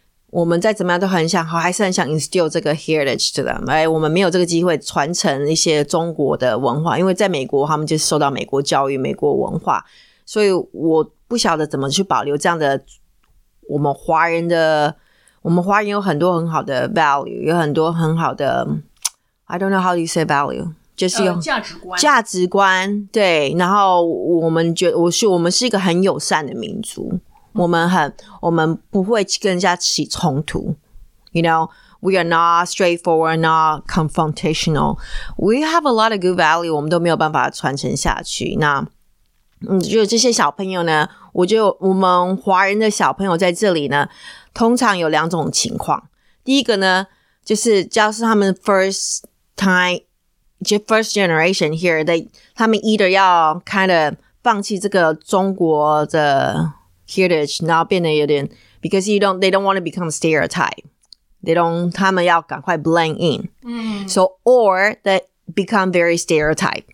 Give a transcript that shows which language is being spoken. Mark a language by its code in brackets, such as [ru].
[zh] 我们再怎么样都很想，好，还是很想 instill 这个 [en] heritage to them， [zh] 哎，我们没有这个机会传承一些中国的文化，因为在美国他们就是受到美国教育、美国文化，所以我不晓得怎么去保留这样的我们华人的，我们华人有很多很好的 value， 有很多很好的 [en] I don't know how you say value。 [zh] 就是用价值观，价值观，对。然后我们觉得我们是一个很友善的民族，我们不会跟人家起冲突。 [en] You know, we are not straightforward, not confrontational. We have a lot of good value. [zh] 我们都没有办法传承下去。那就这些小朋友呢，我觉得我们华人的小朋友在这里呢，通常有两种情况。第一个呢，就是教是他们 first time。 [en] First generation here, they, [zh] 他们 [en] either [zh] 要 [en] kind of [zh] 放弃这个中国的 [en] heritage, [zh] 然后变得有点 [en] because you don't, they don't want to become stereotype. They don't, [zh] 他们要赶快 [en] blend in. So, or they become very stereotype.